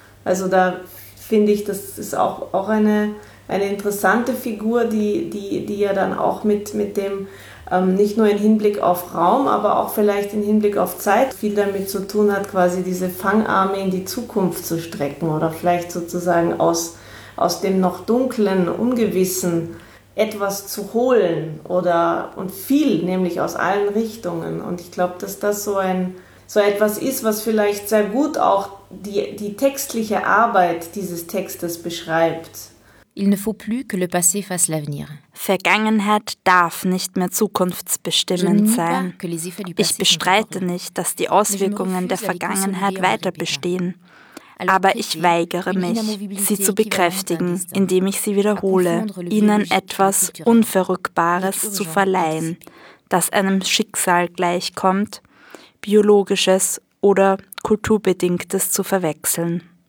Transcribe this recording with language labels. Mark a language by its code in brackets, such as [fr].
[de] Also da finde ich, das ist auch eine interessante Figur, die ja dann auch mit dem, nicht nur im Hinblick auf Raum, aber auch vielleicht im Hinblick auf Zeit, viel damit zu tun hat, quasi diese Fangarme in die Zukunft zu strecken oder vielleicht sozusagen aus dem noch dunklen, ungewissen etwas zu holen oder und viel, nämlich aus allen Richtungen. Und ich glaube, dass das so etwas ist, was vielleicht sehr gut auch die textliche Arbeit dieses Textes beschreibt. [fr] Il ne faut plus que le passé fasse l'avenir. [de] Vergangenheit darf nicht mehr zukunftsbestimmend sein. Ich bestreite nicht, dass die Auswirkungen der Vergangenheit weiter bestehen. Aber ich weigere mich, sie zu bekräftigen, indem ich sie wiederhole, ihnen etwas Unverrückbares zu verleihen, das einem Schicksal gleichkommt, biologisches oder kulturbedingtes zu verwechseln.